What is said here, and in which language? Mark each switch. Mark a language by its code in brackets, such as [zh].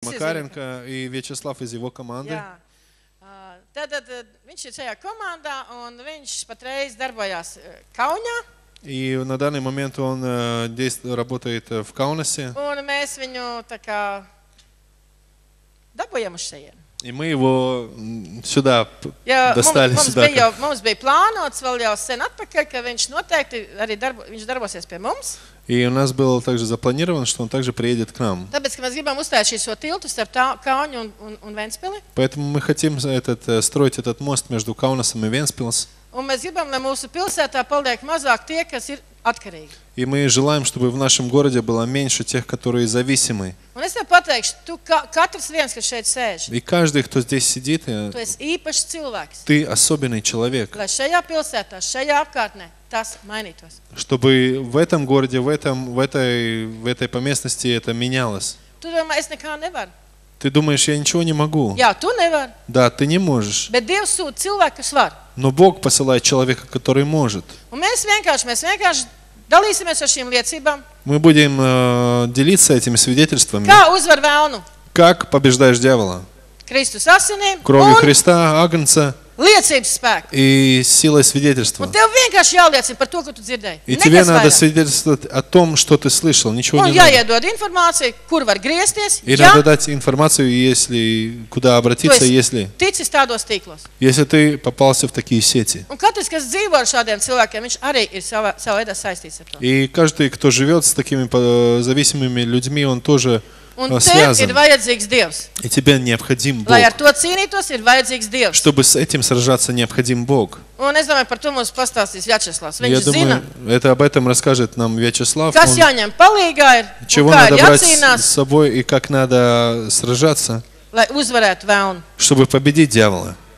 [ru] Макаренко и Вячеслав из его команды. [lv] Tad viņš ir šajā komandā un viņš patreiz darbojās Kauņā. [ru] И на данный момент он работает в Каунасе. [lv] Un mēs viņu tā kā dabūjam uz šajiem. [ru] И мы его сюда достали сюда. [lv] Jā, mums bija plānots vēl jau sen atpakaļ, ka viņš noteikti arī viņš darbosies pie mums. [ru] И у нас было также запланировано, что он также приедет к нам. [lv] Tāpēc, ka mēs gribam uzstāt šīs tiltu starp Kauņu un Ventspili. [ru] Поэтому мы хотим этот строить этот мост между Каунасом и Ventspils. [lv] Un mēs gribam, lai mūsu pilsētā paliek mazāk tie, kas ir atkarīgi. [ru] И мы желаем, чтобы в нашем городе было меньше тех, которые зависимы. [lv] Un es tev pateikšu, tu katrs viens, kas šeit sēž. [ru] И каждый, кто здесь сидит, [lv] tu esi īpašs cilvēks. [ru] Ты особенный человек. [lv] Lai šajā pilsētā, šajā apkārtnē tas mainītos. [ru] Чтобы в этом городе, в этой поместности это менялось. [lv] Tu domā, es nekā nevaru. [ru] Ты думаешь, я ничего не могу. [lv] Jā, tu nevar. [ru] Да, ты не можешь. [lv] Bet Dievs sūta cilvēku, kas var. [ru] Но Бог посылает человека, который может. [lv] Un mēs vienkārši dalīsimies ar šīm liecībām. [ru] Мы будем делиться этими свидетельствами. [lv] Kā uzvar vēlnu? [ru] Как побеждаешь дьявола? [lv] Kristus asinīm. [ru] Кровью Христа, Агнца. [lv] Liecības spēku. [ru] И силой свидетельства. [lv] Un tev vienkārši jāliecina par to, ko tu dzirdēji. [ru] И тебе надо свидетельствовать о том, что ты слышал. Ничего не надо. [lv] Un jāiedod informāciju, kur var griezties. [ru] И надо дать информацию, если куда обратиться, если... [lv] Tu esi ticis tādos tīklos. [ru] Если ты попался в такие сети. [lv] Un katrs, kas dzīvo ar šādiem cilvēkiem, viņš arī ir savā veidā saistīts ar to. [ru] И каждый, кто живет с такими зависимыми людьми, он тоже... [lv] Un [ru] связан. Тебе [lv] ir vajadzīgs Dievs. [ru] И тебе необходим Бог. [lv] Lai ar to cīnītos, ir vajadzīgs Dievs. [ru] Чтобы с этим сражаться, необходим Бог. [lv] Un es domāju, par to mums pastāstīs Vjačeslavs. Viņš [ru] я [lv] zina. [ru] Думаю, это об этом расскажет нам Вячеслав. [lv] Kas jāņem palīgā ir, [ru] чего [lv] un kā [ru] надо [lv] ir jācīnās. [ru] С собой и как надо сражаться. [lv] Lai uzvarētu vēlnu. [ru] Чтобы победить дьявола.